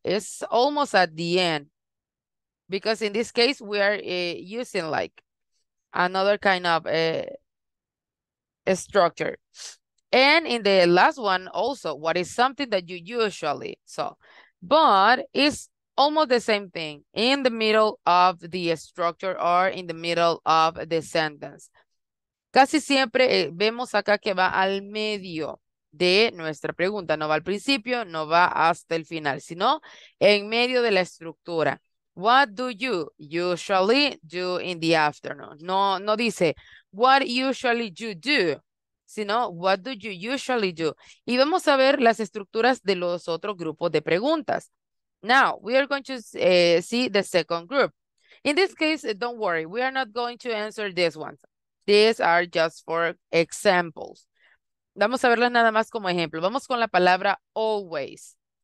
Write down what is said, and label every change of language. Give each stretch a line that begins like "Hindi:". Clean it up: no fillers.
English: It's almost at the end. Because in this case, we are using like another kind of a structure. And in the last one also, what is something that you usually saw? But it's almost the same thing in the middle of the structure or in the middle of the sentence.
Spanish: Casi siempre vemos acá que va al medio de nuestra pregunta, no va al principio, no va hasta el final, sino en medio de la estructura.
English: What do you usually do in the afternoon?
Spanish: No dice,
English: what usually you do,
Spanish: sino
English: what do you usually do.
Spanish: Y vamos a ver las estructuras de los otros grupos de preguntas.
English: Now, we are going to see the second group. In this case, don't worry, we are not going to answer this one. These are just for examples.
Spanish: Vamos a verlas nada más como ejemplo. Vamos con la palabra always.